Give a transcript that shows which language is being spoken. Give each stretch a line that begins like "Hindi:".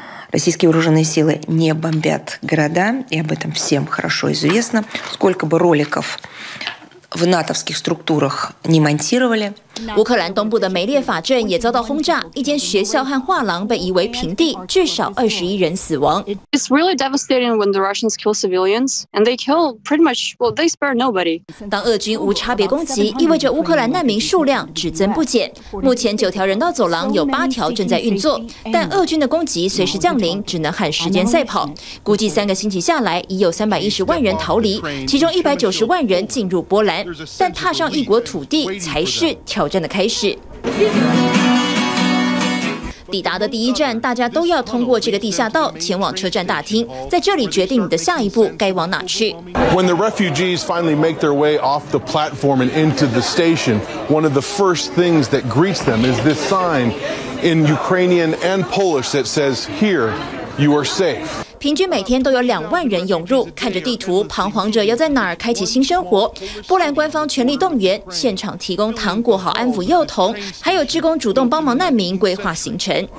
Russian: Российские вооруженные силы не бомбят города, и об этом всем хорошо известно. Сколько бы роликов в натовских структурах не монтировали。
Chinese: 乌克兰东部的梅列法镇也遭到轰炸，一间学校和画廊被夷为平地，至少21人死亡。
English: It's really devastating when the Russians kill civilians, and they kill pretty much, well, they spare nobody.
Chinese: 当俄军无差别攻击，意味着乌克兰难民数量只增不减。目前9条人道走廊有8条正在运作，但俄军的攻击随时降临，只能和时间赛跑。估计3个星期下来，已有310万人逃离，其中190万人进入波兰，但踏上异国土地才是挑战的开始。抵达的第一站，大家都要通过这个地下道前往车站大厅，在这里决定你的下一步该往哪去。
English: When the refugees finally make their way off the platform and into the station, one of the first things that greets them is this sign in Ukrainian and Polish that says, "Here, you are safe."
Chinese: 平均每天都有20000人涌入，看着地图彷徨着要在哪儿开启新生活。波兰官方全力动员，现场提供糖果和安抚幼童，还有志工主动帮忙难民规划行程。